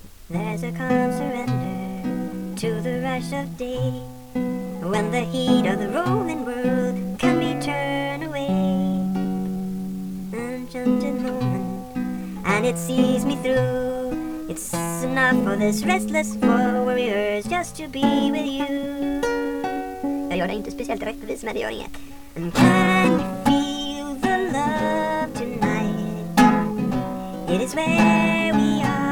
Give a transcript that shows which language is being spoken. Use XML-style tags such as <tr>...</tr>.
<en>There's a calm surrender to the rush of day, when the heat of the roaming world can be turned away. Enchanted moment, and it sees me through. It's enough for this restless warriors just to be with you.</en> <sv>Jag gör det inte speciellt rättvis, men det gör inget.</sv> <en>And can you feel the love tonight? It is where we are.</en>